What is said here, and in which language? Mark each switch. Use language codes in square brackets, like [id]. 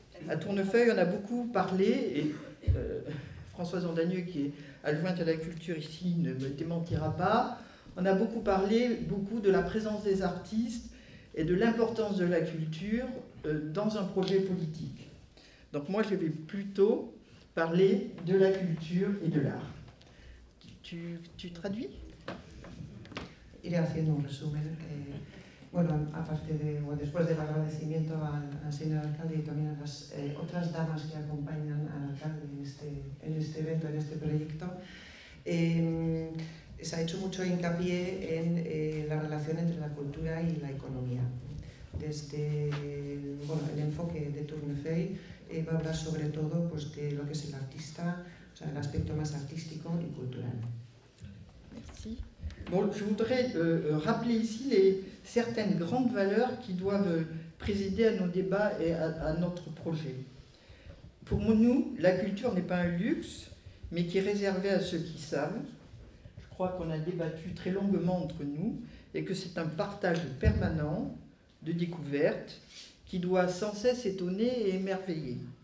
[fr] À Tournefeuille, on a beaucoup parlé, et Françoise Andagneux, qui est adjointe à la culture ici, ne me démentira pas, on a beaucoup parlé de la présence des artistes et de l'importance de la culture dans un projet politique. Donc moi, je vais plutôt parler de la culture et de l'art. Tu traduis ? [es] Iré haciendo un resumen. Bueno, aparte de, bueno, después del agradecimiento al señor alcalde y también a las otras damas que acompañan al alcalde en este evento, en este proyecto, se ha hecho mucho hincapié en la relación entre la cultura y la economía. Desde bueno, el enfoque de Tournefeuille va a hablar sobre todo pues, de lo que es el artista, o sea, el aspecto más artístico y cultural. [fr] Merci. Bon, je voudrais rappeler ici certaines grandes valeurs qui doivent présider à nos débats et à notre projet. Pour nous, la culture n'est pas un luxe, mais qui est réservée à ceux qui savent. Je crois qu'on a débattu très longuement entre nous et que c'est un partage permanent de découvertes qui doit sans cesse étonner et émerveiller.